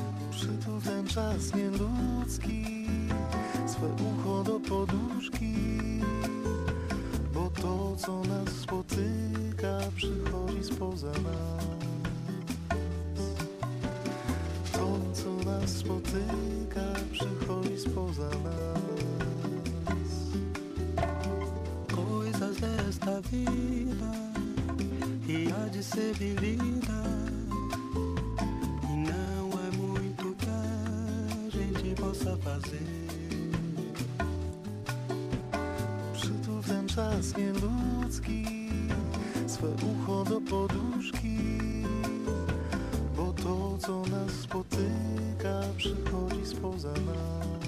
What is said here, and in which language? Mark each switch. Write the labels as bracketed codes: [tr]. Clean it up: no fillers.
[pl] Przytul ten czas nieludzki, swe ucho do poduszki, bo to, co nas spotyka, przychodzi spoza nas. To, co nas spotyka, przychodzi spoza nas. [pt] Coisas desta vida e há de ser vivida, e não é muito que a gente possa fazer. [pl] Przytul ten czas nieludzki, swe ucho do poduszki, bo to, co nas spotyka, przychodzi spoza nas.